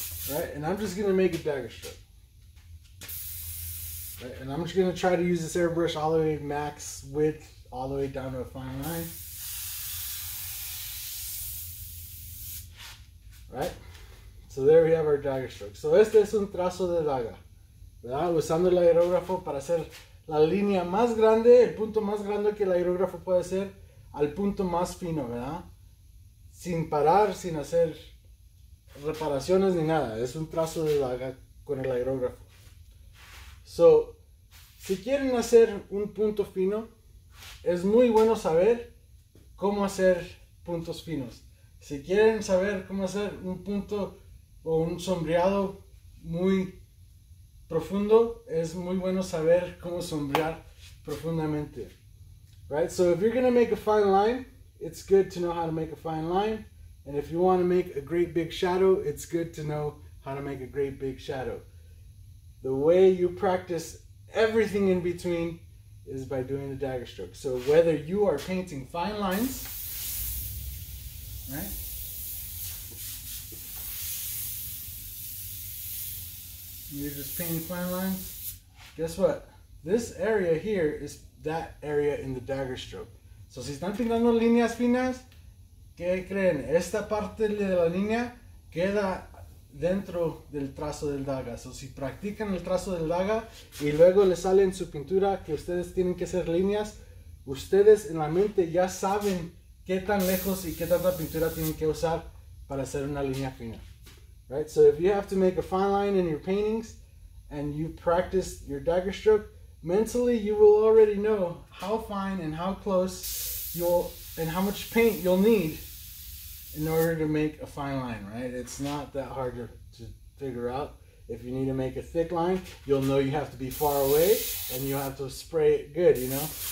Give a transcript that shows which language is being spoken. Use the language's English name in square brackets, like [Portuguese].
[English] Right, and I'm just gonna make a dagger stroke. Right, and I'm just gonna try to use this airbrush all the way max width, all the way down to a fine line. Right, so there we have our dagger stroke. [Spanish] So este es un trazo de daga, ¿verdad? Usando el aerógrafo para hacer la línea más grande, el punto más grande que el aerógrafo puede hacer, al punto más fino, ¿verdad? Sin parar, sin hacer reparaciones ni nada. Es un trazo de daga con el aerógrafo. So, si quieren hacer un punto fino, es muy bueno saber cómo hacer puntos finos. Si quieren saber cómo hacer un punto o un sombreado muy profundo, es muy bueno saber cómo sombrear profundamente. [English] Right? So if you're going to make a fine line, it's good to know how to make a fine line. And if you want to make a great big shadow, it's good to know how to make a great big shadow. The way you practice everything in between is by doing the dagger stroke. So whether you are painting fine lines, right? You're just painting fine lines. Guess what? This area here is that area in the dagger stroke. [Spanish] So si están pintando líneas finas, ¿qué creen? Esta parte de la línea queda dentro del trazo del daga. So, si practican el trazo del daga y luego les sale en su pintura que ustedes tienen que hacer líneas, ustedes en la mente ya saben qué tan lejos y qué tanta pintura tienen que usar para hacer una línea fina. [English] Right? So if you have to make a fine line in your paintings and you practice your dagger stroke, mentally you will already know how fine and how close and how much paint you'll need in order to make a fine line, right? It's not that hard to figure out. If you need to make a thick line, you'll know you have to be far away and you have to spray it good, you know?